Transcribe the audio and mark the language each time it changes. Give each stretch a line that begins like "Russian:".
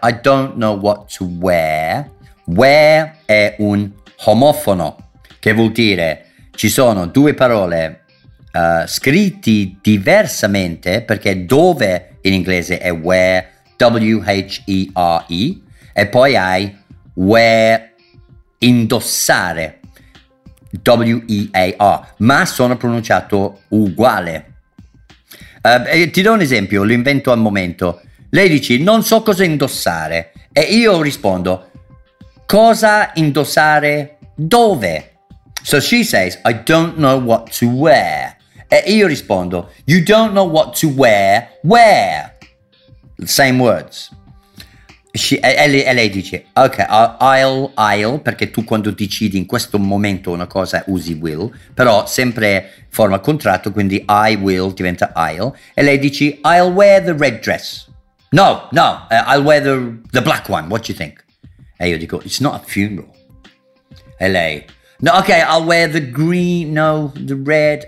English: I don't know what to wear.
Italian: Wear è un omofono, che vuol dire ci sono due parole scritti diversamente, perché dove in inglese è where, W-H-E-R-E, e poi hai where, indossare, W-E-A-R, ma sono pronunciato uguale. Ti do un esempio, lo invento al momento. Lei dice non so cosa indossare e io rispondo cosa indossare dove?
English: So she says I don't know what to wear.
Italian: E io rispondo,
English: you don't know what to wear, where? Same words.
Italian: E lei dice, ok, I'll, perché tu quando decidi in questo momento una cosa usi will, però sempre forma contratto, quindi I will diventa I'll. E lei dice,
English: I'll wear the red dress. No, I'll wear the black one, what do you think?
Italian: E io dico,
English: it's not a funeral.
Italian: E lei,
English: no, ok, I'll wear the green, no, the red.